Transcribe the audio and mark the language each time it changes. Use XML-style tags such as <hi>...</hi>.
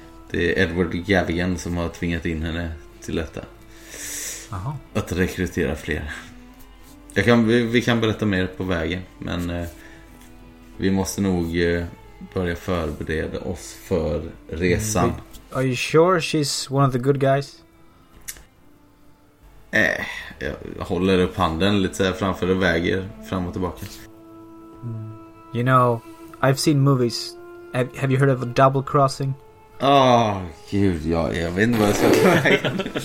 <sv>Det är Edward Galligan som har tvingat in henne till detta. Aha. Att rekrytera fler. Vi kan berätta mer på vägen, men vi måste nog börja förbereda oss för resan.</sv> <en>Are you sure she's one of the good guys?</en> <sv>Jag håller upp handen lite så här framför och väger fram och tillbaka.</sv> <en>You know, I've seen movies. Have you heard of a double crossing?</en> <sv>Åh, gud, jag vet inte vad jag ska ta vägen.</sv>